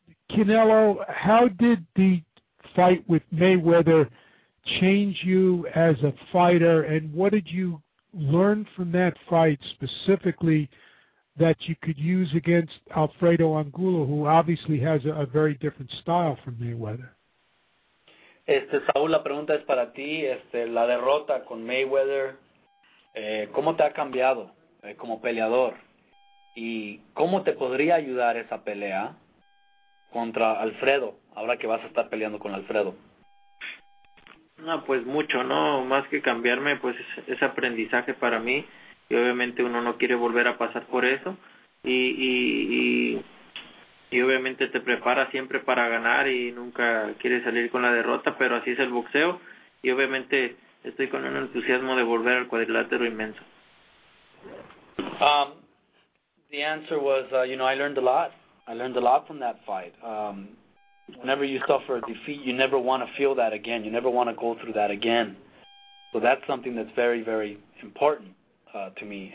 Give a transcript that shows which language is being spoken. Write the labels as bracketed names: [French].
[English] Canelo, how did the fight with Mayweather change you as a fighter, and what did you learn from that fight specifically that you could use against Alfredo Angulo, who obviously has a very different style from Mayweather? [Spanish] Saúl, la pregunta es para ti. La derrota con Mayweather, ¿cómo te ha cambiado como peleador? ¿Y cómo te podría ayudar esa pelea contra Alfredo, ahora que vas a estar peleando con Alfredo? No, pues mucho, ¿no? Más que cambiarme, pues es aprendizaje para mí. Y obviamente uno no quiere volver a pasar por eso. Y obviamente te prepara siempre para ganar y nunca quiere salir con la derrota, pero así es el boxeo. Y obviamente estoy con un entusiasmo de volver al cuadrilátero inmenso. [English] The answer was, you know, I learned a lot. I learned a lot from that fight. Whenever you suffer a defeat, you never want to feel that again. You never want to go through that again. So that's something that's very, very important to me.